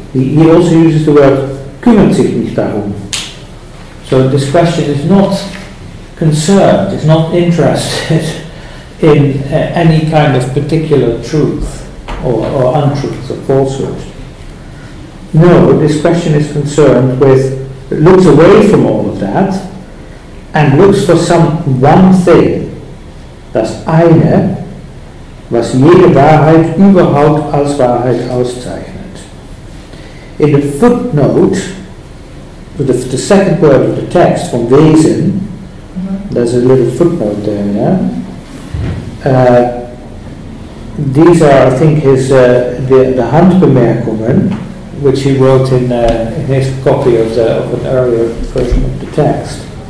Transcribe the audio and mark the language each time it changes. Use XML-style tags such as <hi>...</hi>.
<en>He also uses the word</en> <de>kümmert sich nicht darum.</de> <en>So this question is not concerned, is not interested in any kind of particular truth or untruth or falsehood. No, this question is concerned with, looks away from all of that and looks for some one thing.</en> <de>Das eine, was jede Wahrheit überhaupt als Wahrheit auszeichnet.</de> <en>In the footnote, the second word of the text from Wesen, there's a little footnote there, yeah? These are, I think, his the Handbemerkungen, which he wrote in his copy of an earlier version of the text.</en>